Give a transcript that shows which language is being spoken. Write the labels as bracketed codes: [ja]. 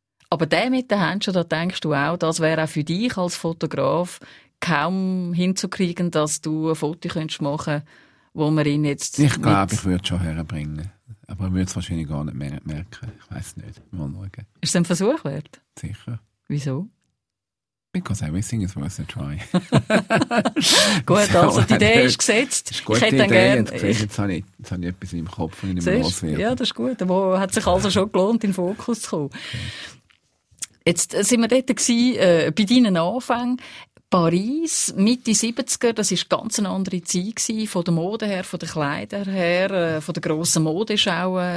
[de] Aber der mit den Händen, da denkst du auch, das wäre auch für dich als Fotograf kaum hinzukriegen, dass du ein Foto könntest machen, wo man ihn jetzt... Ich glaube, ich würde es schon herbringen. Aber ich würde es wahrscheinlich gar nicht merken. Ich weiss nicht. Mal schauen. Ist es ein Versuch wert? Sicher. Wieso? [en] Because everything is worth a try. [de] Gut, also die Idee ist gesetzt. Jetzt habe ich etwas im Kopf und in meinem Haus. Ja, das ist gut. Aber es hat sich also schon gelohnt, in den Fokus zu kommen. Jetzt sind wir dort gewesen, bei deinen Anfängen. Paris, Mitte 70er, das war eine ganz andere Zeit, von der Mode her, von den Kleidern her, von den grossen Modeschauen.